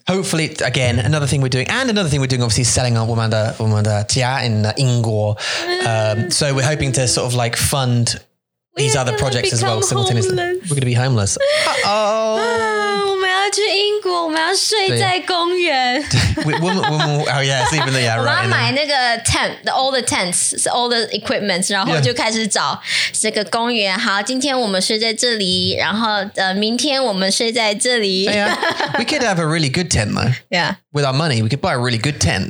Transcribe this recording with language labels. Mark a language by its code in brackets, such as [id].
[en] Hopefully, again, another thing we're doing, and another thing we're doing, obviously, selling our [zh] 我们的家 [en] in 英国。 So we're hoping to sort of like fund these other projects as well simultaneously. We're going to be homeless. Uh-oh. [zh] 去英国，我们要睡在公园。 [en] Oh yeah, it's even there, right? [zh] 我们要买那个 tent, [en] all the tents, all the equipment, [zh] 然后就开始找这个公园。好，今天我们睡在这里，然后明天我们睡在这里。 [en] Yeah. We could have a really good tent, though. Yeah. With our money, we could buy a really good tent.